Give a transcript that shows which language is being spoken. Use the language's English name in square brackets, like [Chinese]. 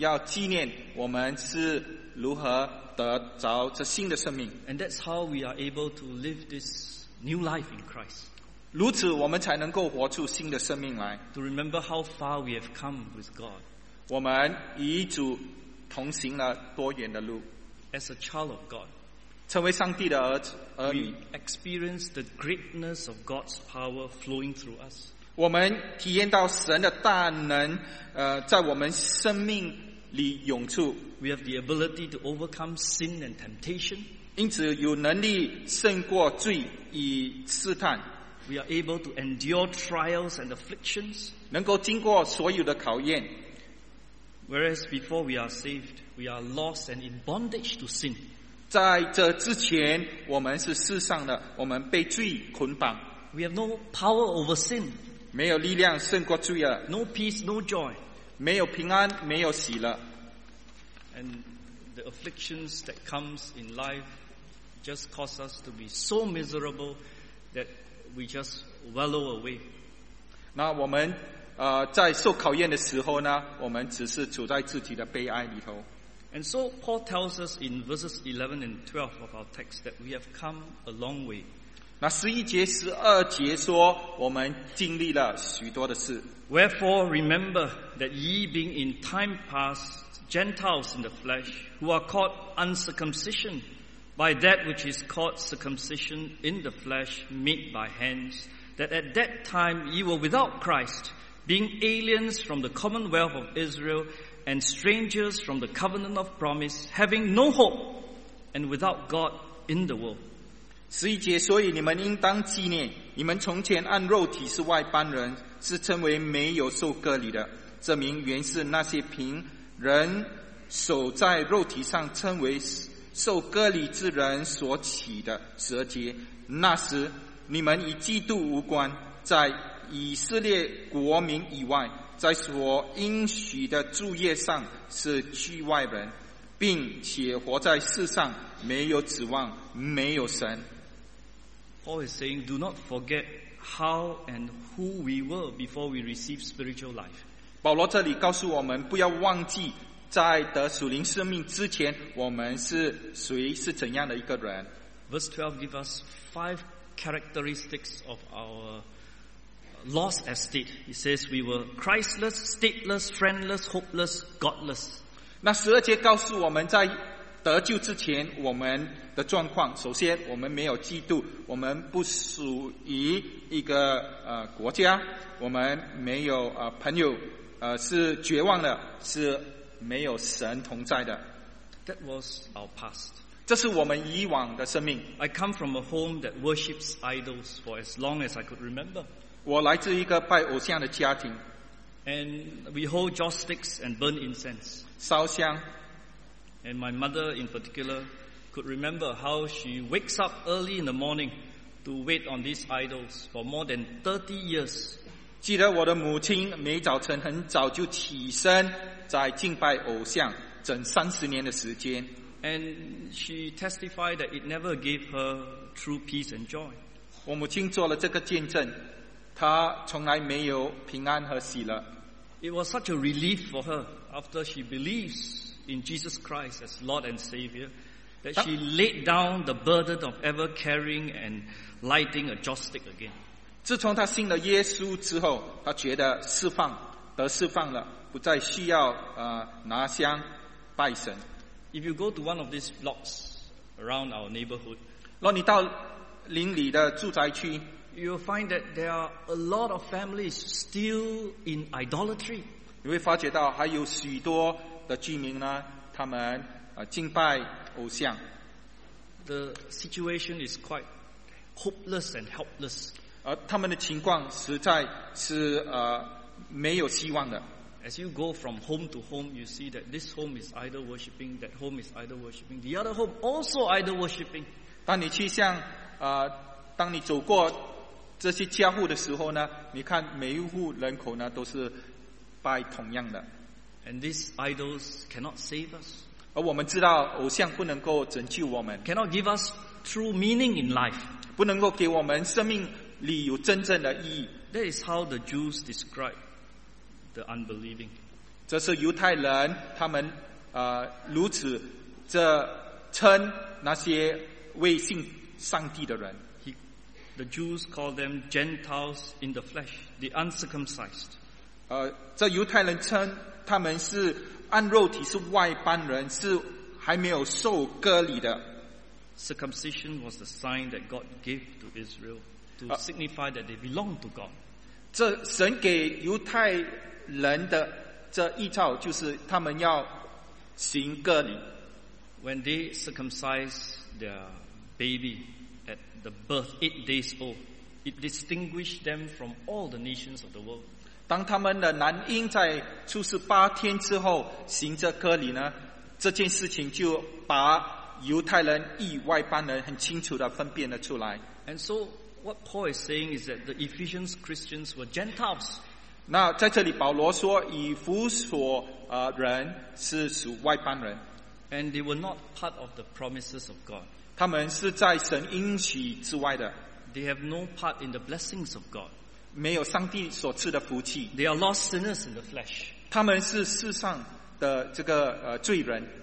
[Chinese] 我们要不断的被提醒，要纪念我们是如何 [English] And that's how we are able to live this new life in Christ. [Chinese] 如此我们才能够活出新的生命来。 [English] To remember how far we have come with God. [Chinese] 我们与主同行了多远的路。 [English] As a child of God, [Chinese] 成为上帝的儿女, [English] we experience the greatness of God's power flowing through us. [Chinese] 我们体验到神的大能在我们生命里涌出。 [English] We have the ability to overcome sin and temptation. [Chinese] 因此有能力胜过罪与试探。 [English] We are able to endure trials and afflictions. [Chinese] 能够经过所有的考验。 [English] Whereas before we are saved, we are lost and in bondage to sin. [Chinese] 在这之前，我们是世上的，我们被罪捆绑。 [English] We have no power over sin. [Chinese] 没有力量胜过罪了。 [English] No peace, no joy. [Chinese] 没有平安，没有喜乐。 [English] And the afflictions that comes in life just cause us to be so miserable that we just wallow away. [Chinese] 那我们在受考验的时候呢，我们只是处在自己的悲哀里头。 [English] And so Paul tells us in verses 11 and 12 of our text that we have come a long way. [Chinese] 那十一节、十二节说，我们经历了许多的事。 [English] Wherefore remember that ye being in time past Gentiles in the flesh, who are called uncircumcision, by that which is called circumcision in the flesh made by hands, that at that time ye were without Christ, being aliens from the commonwealth of Israel, and strangers from the covenant of promise, having no hope, and without God in the world. [Chinese] 十一节，所以你们应当纪念，你们从前按肉体是外邦人，是称为没有受割礼的，这名原是那些凭人守在肉体上称为受割礼之人所起的。十二节，那时你们与基督无关，在以色列国民以外，在所应许的住业上是居外人，并且活在世上没有指望，没有神。 [English] Paul is saying, do not forget how and who we were before we received spiritual life. [Chinese] 保罗这里告诉我们，不要忘记在得属灵生命之前，我们是谁，是怎样的一个人。 [English] Verse 12 gives us five characteristics of our lost estate. He says we were Christless, stateless, friendless, hopeless, godless. [Chinese] 那十二节告诉我们，在得救之前我们的状况，首先我们没有基督，我们不属于一个国家，我们没有朋友，是绝望的，是没有神同在的。 [English] That was our past. [Chinese] 这是我们以往的生命。 [English] I come from a home that worships idols for as long as I could remember. [Chinese] 我来自一个拜偶像的家庭。 [English] And we hold joss sticks and burn incense. [Chinese] 烧香。 [English] And my mother in particular could remember how she wakes up early in the morning to wait on these idols for more than 30 years. [Chinese] 记得我的母亲每早晨很早就起身在敬拜偶像整三十年的时间。 [English] And she testified that it never gave her true peace and joy. [Chinese] 我母亲做了这个见证，她从来没有平安和喜乐。 [English] It was such a relief for her after she believes in Jesus Christ as Lord and Savior that she laid down the burden of ever carrying and lighting a joss stick again. [Chinese] 自从她信了耶稣之后，她觉得释放，得释放了，不再需要拿香拜神。 [English] If you go to one of these blocks around our neighborhood, [Chinese] 若你到邻里的住宅区， [English] you will find that there are a lot of families still in idolatry. [Chinese] 你会发觉到还有许多的居民呢，他们敬拜偶像。 [English] The situation is quite hopeless and helpless. [Chinese] 而他们的情况实在是没有希望的。 [English] As you go from home to home, you see that this home is idol worshipping, that home is idol worshipping, the other home also idol worshipping. [Chinese] 当你去向当你走过这些家户的时候呢，你看每一户人口呢都是拜同样的。 [English] And these idols cannot save us. [Chinese] 而我们知道偶像不能够拯救我们。 [English] Cannot give us true meaning in life. [Chinese] 不能够给我们生命里有真正的意义。 [English] That is how the Jews describe the unbelieving. [Chinese] 这是犹太人他们如此这称那些未信上帝的人。 [English] The Jews call them Gentiles in the flesh, the uncircumcised. [Chinese] 这犹太人称他们是按肉体是外邦人，是还没有受割礼的。 [English] Circumcision was the sign that God gave to Israel to signify that they belong to God. [Chinese] 这神给犹太人的这一套就是他们要行割礼。 [English] When they circumcise, their baby at the birth, 8 days old, it distinguished them from all the nations of the world. [Chinese] 当他们的男婴在出世八天之后行着割礼呢，这件事情就把犹太人以外邦人很清楚地分辨了出来。 [English] And so what Paul is saying is that the Ephesians Christians were Gentiles. [Chinese] 那在这里保罗说，以弗所人是属外邦人。 [English] And they were not part of the promises of God. [Chinese] 他们是在神应许之外的。 [English] They have no part in the blessings of God. [Chinese] 没有上帝所赐的福气。 [English] They are lost sinners in the flesh. [Chinese] 他们是世上的这个罪人。